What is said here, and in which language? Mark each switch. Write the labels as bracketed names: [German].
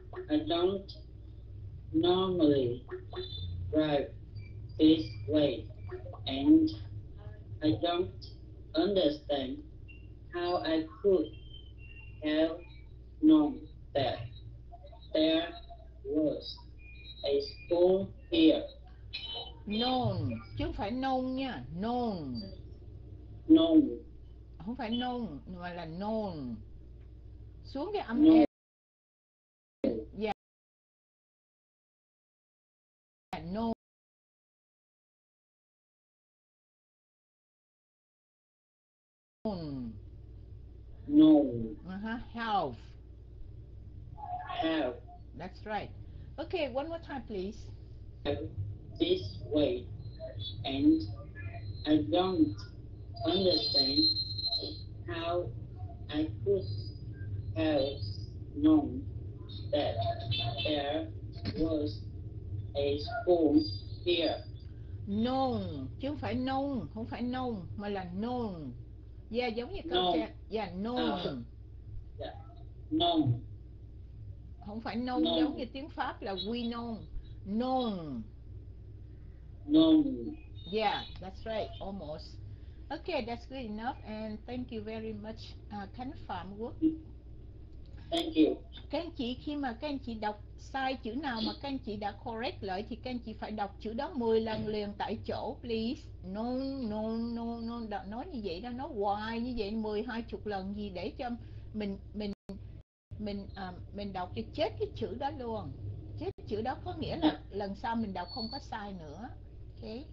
[English] I don't normally drive this way, and I don't understand how I could have known that there was a school here. [Vietnamese] Known, chứ không phải known nha, known. [English] Known. [Vietnamese] Không phải known, mà là known. Xuống cái âm nghe. [English] Yeah. Known. Known. Known. Uh-huh. Health. Health. That's right. Okay, one more time, please. This way, and I don't understand how I could have known that there was a school here. [Vietnamese] Known, chứ không phải known, không phải known, mà là known. Yeah, giống như câu chuyện. [English] Yeah, known. Yeah, known. [Vietnamese] Không phải known, known, giống như tiếng Pháp là [English] we know. Known. Known. Yeah, that's right, almost. Okay, that's good enough, and thank you very much, Khánh Phạm. Thank you. [Vietnamese] Các anh chị, khi mà các anh chị đọc sai chữ nào mà các anh chị đã correct lại thì các anh chị phải đọc chữ đó 10 lần liền tại chỗ, please. Known, known, known, known. Nói như vậy đó, nói hoài như vậy 10-20 lần gì để cho mình đọc cho chết cái chữ đó luôn. Chết chữ đó có nghĩa là lần sau mình đọc không có sai nữa. Okay.